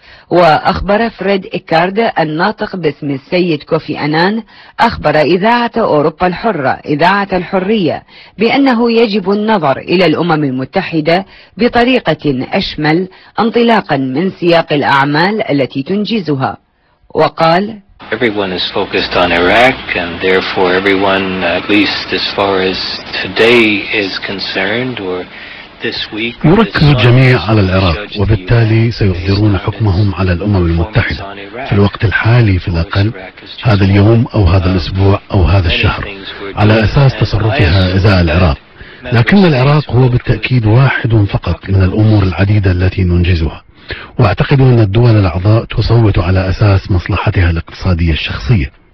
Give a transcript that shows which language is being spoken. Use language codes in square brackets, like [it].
[ar] وأخبر فريد إيكارد الناطق باسم السيد كوفي أنان أخبر إذاعة أوروبا الحرة إذاعة الحرية بأنه يجب النظر إلى الأمم المتحدة بطريقة أشمل انطلاقا من سياق الأعمال التي تنجزها، وقال [en] Everyone is focused on Iraq and therefore everyone at least as far as today is concerned or [ar] يركز الجميع على العراق وبالتالي سيقدرون حكمهم على الأمم المتحدة في الوقت الحالي في الأقل هذا اليوم أو هذا الأسبوع أو هذا الشهر على أساس تصرفها إزاء العراق، لكن العراق هو بالتأكيد واحد فقط من الأمور العديدة التي ننجزها، وأعتقد أن الدول الأعضاء تصوت على أساس مصلحتها الاقتصادية الشخصية.